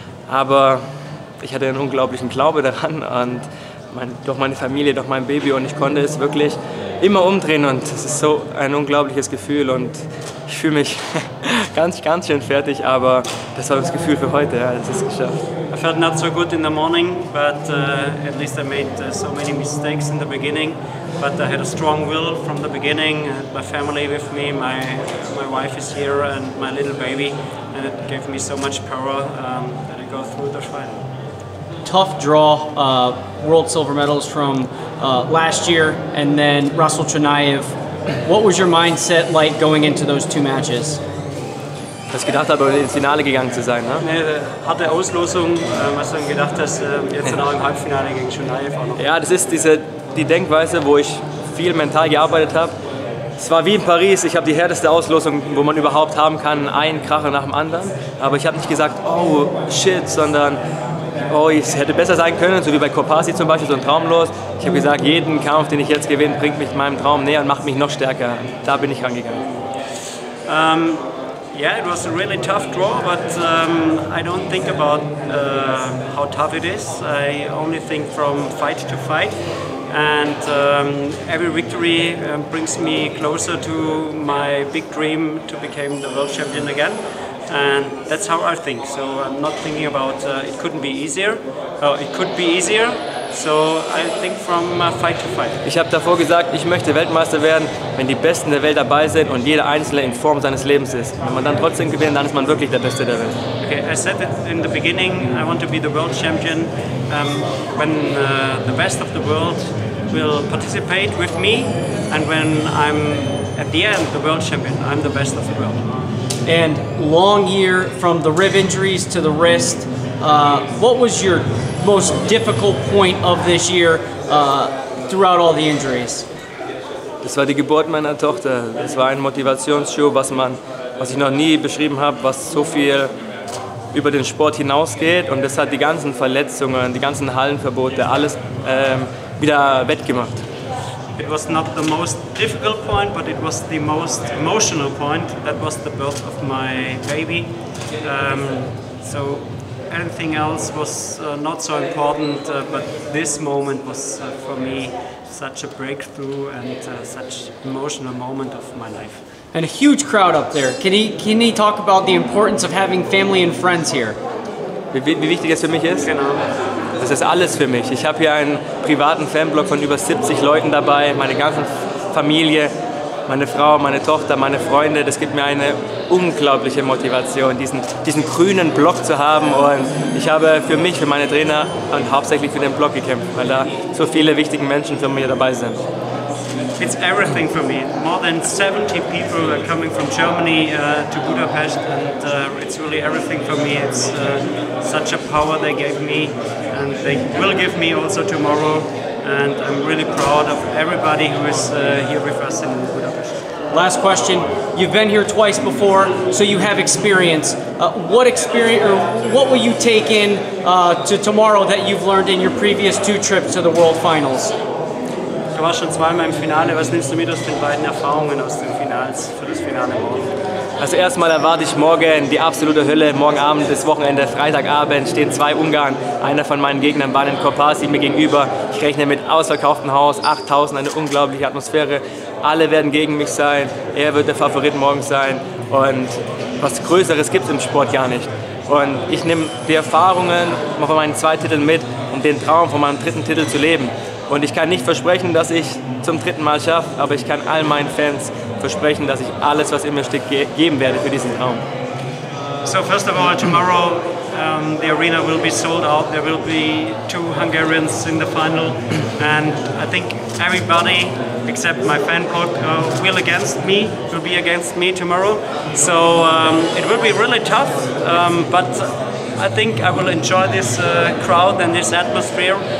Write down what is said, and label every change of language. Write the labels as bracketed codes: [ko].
[de] Aber ich hatte einen unglaublichen Glaube daran und doch meine Familie, doch mein Baby, und ich konnte es wirklich immer umdrehen, und es ist so ein unglaubliches Gefühl und ich fühle mich ganz, ganz schön fertig, aber das war das Gefühl für heute, ja, es ist geschafft. [en] I felt not so good in the morning, but at least I made so many mistakes in the beginning, but I had a strong will from the beginning, my family with me, my wife is here and my little baby, and it gave me so much power that I go through the final. Tough draw, world silver medals from last year, and then Rasul Chinaev. What was your mindset like going into those two matches? [de] Was gedacht habe, ins Finale gegangen zu sein, ne? Eine harte Auslosung, was du gedacht hast, jetzt auch im Halbfinale gegen Chinaev auch noch. Ja, das ist die Denkweise, wo ich viel mental gearbeitet habe. Es war wie in Paris, ich habe die härteste Auslosung, wo man überhaupt haben kann, einen Kracher nach dem anderen. Aber ich habe nicht gesagt, [en] oh shit, [de] sondern oh, es hätte besser sein können, so wie bei Kopasi zum Beispiel, so ein Traumlos. Ich habe gesagt, jeden Kampf, den ich jetzt gewinne, bringt mich meinem Traum näher und macht mich noch stärker. Da bin ich rangegangen. [en] Yeah, it was a really tough draw, but I don't think about how tough it is. I only think from fight to fight. And every victory brings me closer to my big dream to become the world champion again. And that's how I think. So I'm not thinking about it couldn't be easier. Oh, it could be easier. So I think from fight to fight. [de] Ich habe davor gesagt, ich möchte Weltmeister werden, wenn die Besten der Welt dabei sind und jeder Einzelne in Form seines Lebens ist. Wenn man dann trotzdem gewinnt, dann ist man wirklich der Beste der Welt. [en] Okay, I said it in the beginning, I want to be the world champion. When the best of the world will participate with me, and when I'm at the end the world champion, I'm the best of the world. And long year from the rib injuries to the wrist. What was your most difficult point of this year throughout all the injuries? [de] Das war die Geburt meiner Tochter. Das war ein Motivationsschub, was ich noch nie beschrieben habe, was so viel über den Sport hinausgeht. Und das hat die ganzen Verletzungen, die ganzen Hallenverbote, alles wieder wettgemacht. [en] It was not the most difficult point, but it was the most emotional point. That was the birth of my baby. So anything else was not so important, but this moment was for me such a breakthrough and such emotional moment of my life. And a huge crowd up there. Can he talk about the importance of having family and friends here? [de] Wie wichtig es für mich ist? Genau. Das ist alles für mich. Ich habe hier einen privaten Fanblock von über 70 Leuten dabei, meine ganze Familie, meine Frau, meine Tochter, meine Freunde. Das gibt mir eine unglaubliche Motivation, diesen grünen Block zu haben. Und ich habe für mich, für meine Trainer und hauptsächlich für den Block gekämpft, weil da so viele wichtige Menschen für mich dabei sind. [en] It's everything for me. More than 70 people are coming from Germany to Budapest, and it's really everything for me. It's such a power they gave me, and they will give me also tomorrow. And I'm really proud of everybody who is here with us in Budapest. Last question. You've been here twice before, so you have experience. What experience, or what will you take in to tomorrow that you've learned in your previous two trips to the World Finals? [de] Du warst schon zweimal im Finale. Was nimmst du mit aus den beiden Erfahrungen aus dem Finals für das Finale morgen? Also erstmal erwarte ich morgen die absolute Hölle. Morgen Abend bis Wochenende, Freitagabend, stehen zwei Ungarn. Einer von meinen Gegnern war in Kopasi mir gegenüber. Ich rechne mit ausverkauftem Haus, 8000, eine unglaubliche Atmosphäre. Alle werden gegen mich sein. Er wird der Favorit morgen sein. Und was Größeres gibt es im Sport gar nicht. Und ich nehme die Erfahrungen von meinen zwei Titeln mit, um den Traum von meinem dritten Titel zu leben. Und ich kann nicht versprechen, dass ich zum dritten Mal schaffe, aber ich kann all meinen Fans versprechen, dass ich alles, was in mir steckt, geben werde für diesen Traum. [en] So first of all, tomorrow the arena will be sold out. There will be two Hungarians in the final. And I think everybody, except my fan club, will be against me tomorrow. So it will be really tough, but I think I will enjoy this crowd and this atmosphere.